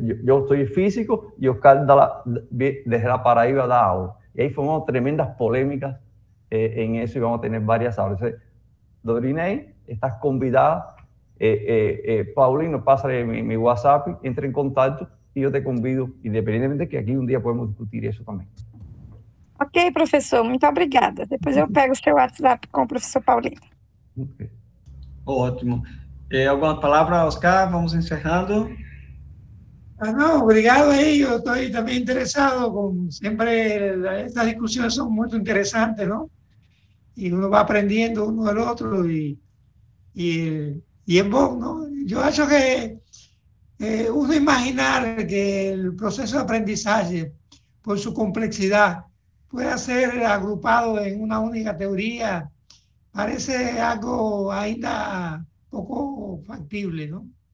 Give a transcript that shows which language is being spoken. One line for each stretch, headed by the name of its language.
Spanish: Yo estoy físico y Oscar desde la Paraíba da aula. Y ahí formamos tremendas polémicas en eso y vamos a tener varias aulas. Dorinei, estás convidada. Paulino, pásale mi WhatsApp, entra en contacto y yo te convido, independientemente de que aquí un día podemos discutir eso también.
Portuguese: Ok, professor, muito obrigada. Depois eu pego o seu WhatsApp com o professor Paulino. Ótimo. Alguma palavra, Oscar? Vamos encerrando.
Spanish: Ah, no, obrigado a ellos, estoy también interesado, siempre estas discusiones son muy interesantes, ¿no? Y uno va aprendiendo uno del otro y en voz, ¿no? Yo hecho que uno imaginar que el proceso de aprendizaje, por su complejidad, pueda ser agrupado en una única teoría, parece algo ainda poco factible, ¿no?